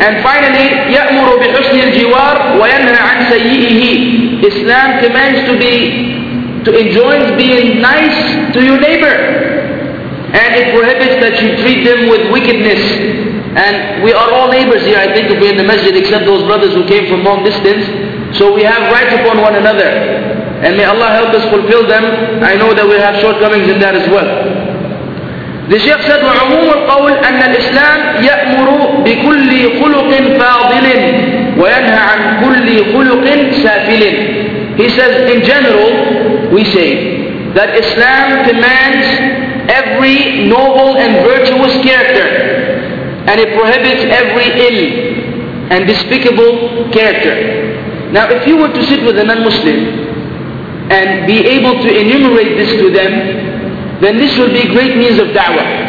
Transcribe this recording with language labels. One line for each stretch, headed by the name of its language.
English: And finally,
Arabic: يأمر بحسن الجوار وينهى عن سيئه.
English: Islam commands to enjoins being nice to your neighbor, and it prohibits that you treat them with wickedness. And we are all neighbors here, I think, if we're in the masjid, except those brothers who came from long distance. So we have right upon one another, and may Allah help us fulfill them. I know that we have shortcomings in that as well. The Shaykh said,
Arabic: وعموم القول أن الإسلام يأمر بكل خلق فاضل وينهى عن كل خلق سافل.
English: He says, in general, we say that Islam commands every noble and virtuous character, and it prohibits every ill and despicable character. Now, if you were to sit with a non-Muslim and be able to enumerate this to them, then this will be a great means of da'wah.